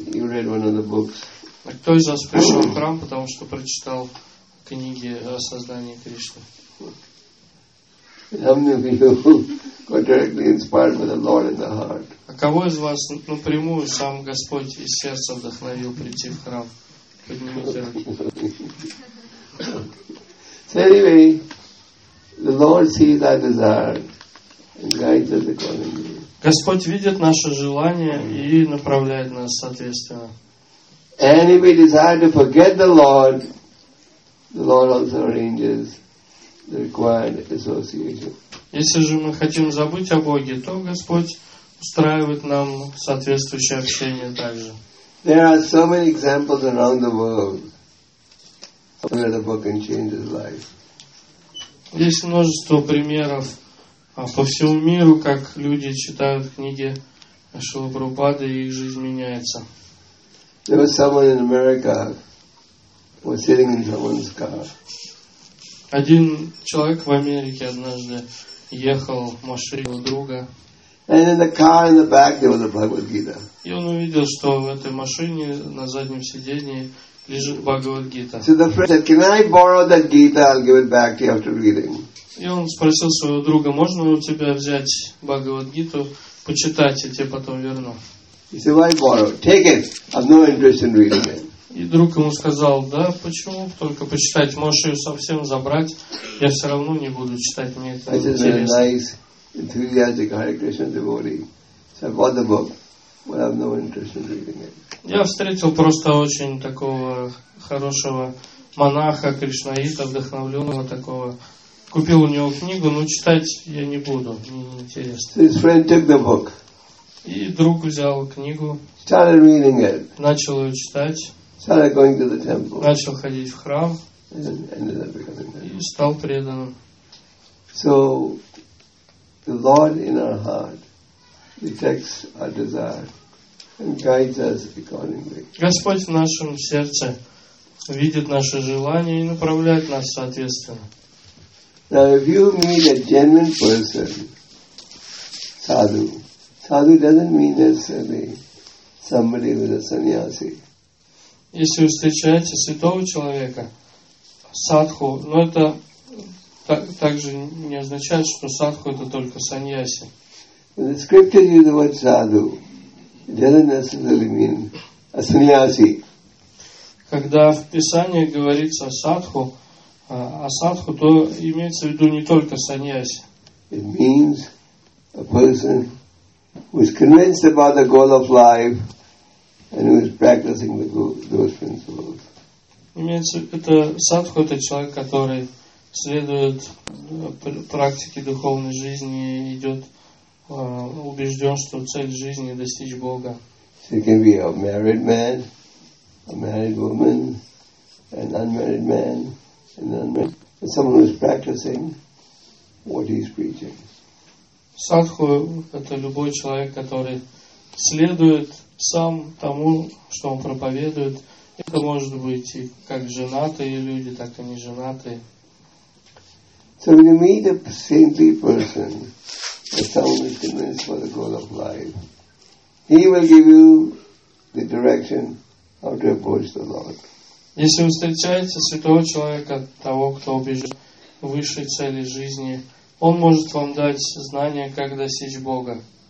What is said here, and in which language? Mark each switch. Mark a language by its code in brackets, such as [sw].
[ru] Кто из вас пришел в храм, потому что прочитал книги о создании Кришны? А кого из вас напрямую сам Господь из сердца вдохновил прийти в храм? Поднимите руки. [en] So anyway, the Lord sees our desire and guides us accordingly. [ru] Господь видит наше желание и направляет нас соответственно. [en] And if we desire to forget the Lord also arranges the required association. [ru] Если же мы хотим забыть о Боге, то Господь устраивает нам соответствующее общение также. [en] There are so many examples around the world where the Lord can change his life. [ru] Есть множество примеров по всему миру, как люди читают книги Шрилы Прабхупады, и их жизнь меняется. [en] There was someone in America who was sitting in someone's car. [ru] Один человек в Америке однажды ехал в машине его друга. [en] And in the car in the back there was a Bhagavad Gita. [ru] И он увидел, что в этой машине на заднем сиденье лежит Бхагавад Гита. [en] So the friend said, "Can I borrow that Gita? I'll give it back to you after reading." [ru] И он спросил своего друга, можно у тебя взять Бхагавад-гиту, почитать, и тебе потом верну. [en] He said, why borrow? Take it. I've no interest in reading it. [ru] И друг ему сказал, да, почему? Только почитать. Можешь ее совсем забрать. Я все равно не буду читать. Мне это интересно. [en] I just had a nice, enthusiastic Hare Krishna devotee. So I bought the book, but I have no interest in reading it. [ru] Я встретил просто очень такого хорошего монаха, кришнаита, вдохновленного такого. Купил у него книгу, но читать я не буду, мне не интересно. [en] His friend took the book. [ru] И друг взял книгу. [en] Started reading it. [ru] Начал ее читать. [en] Started going to the temple. [ru] Начал ходить в храм. [en] And ended up becoming [ru] И стал преданным. [en] So, the Lord in our heart detects our desire and guides us accordingly. [ru] Господь в нашем сердце видит наше желание и направляет нас соответственно. [en] Now, if you meet a genuine person, sadhu, sadhu doesn't mean necessarily somebody with a sannyasi. [ru] Если вы встречаете святого человека, садху, но это также не означает, что садху это только саньяси. [en] When the scriptures use the word sadhu, it doesn't necessarily mean a sannyasi. [ru] Когда в Писании говорится садху, а садху, то имеется в виду не только саньяси. [en] It means a person who is convinced about the goal of life and who is practicing the goal, those principles. [ru] Имеется, это садху, это человек, который следует практике духовной жизни и идет убежден, что цель жизни достичь Бога. [en] So it can be a married man, a married woman, an unmarried man. And then someone who is practicing what he is preaching. [ru] Садху – это любой человек, который следует сам тому, что он проповедует. Это может быть и как женатые люди, так и неженатые. [en] So when you meet a saintly person, or someone who is convinced for the goal of life, he will give you the direction how to approach the Lord. [ru] Если вы встречаете святого человека, того, кто убежден в высшей цели жизни, он может вам дать знания, как достичь Бога.